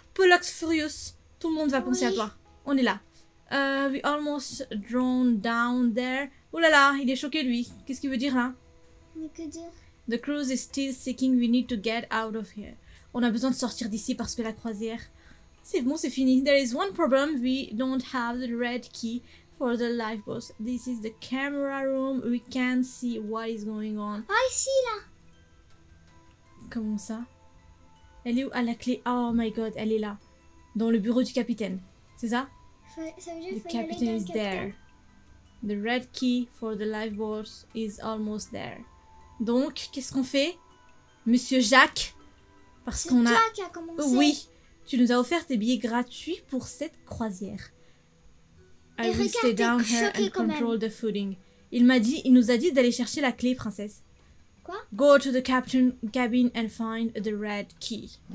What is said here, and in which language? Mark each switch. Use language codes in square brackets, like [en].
[fr] Pollux Furious, tout le monde va penser à toi. On est là. [en] We almost drowned down there. [fr] Oh là là, il est choqué lui. Qu'est-ce qu'il veut dire là? [en] The crew is still seeking. We need to get out of here. [fr] On a besoin de sortir d'ici parce que la croisière... C'est bon, c'est fini. [en] There is one problem. We don't have the red key for the lifeboat. This is the camera room. We can't see what is going on. [fr] Ah, ici là. Comment ça? Elle est où? Ah, la clé. [en] Oh my god, [fr] elle est là. Dans le bureau du capitaine. C'est ça? Le capitaine est là. [en] The red key for the lifeboat is almost there. [fr] Donc, qu'est-ce qu'on fait, Monsieur Jacques? Parce c'est qu'on toi a. Qui a commencé. Oui, tu nous as offert des billets gratuits pour cette croisière. [en] Et I stay down here and control the footing. [fr] Il m'a dit, il nous a dit d'aller chercher la clé, princesse. Quoi? [en] Go to the captain cabin and find the red key.